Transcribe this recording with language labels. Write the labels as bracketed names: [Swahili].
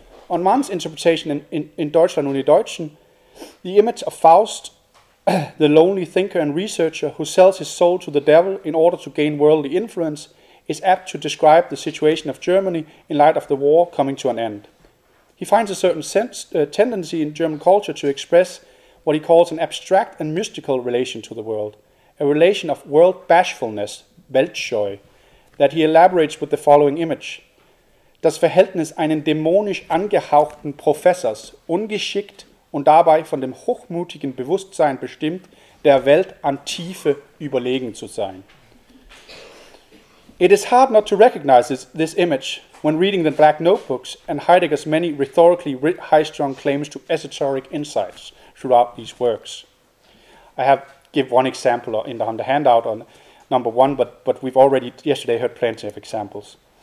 [English] On Mann's interpretation in Deutschland und die Deutschen, the image of Faust, the lonely thinker and researcher who sells his soul to the devil in order to gain worldly influence, is apt to describe the situation of Germany in light of the war coming to an end. He finds a certain tendency in German culture to express what he calls an abstract and mystical relation to the world, a relation of world bashfulness, Weltscheu, that he elaborates with the following image. [German] Das Verhältnis einen dämonisch angehauchten Professors, ungeschickt und dabei von dem hochmutigen Bewusstsein bestimmt, der Welt an Tiefe überlegen zu sein. [English] It is hard not to recognize this image when reading the Black Notebooks and Heidegger's many rhetorically high-strung claims to esoteric insights throughout these works. I have give one example on the handout on number one, but we've already yesterday heard plenty of examples.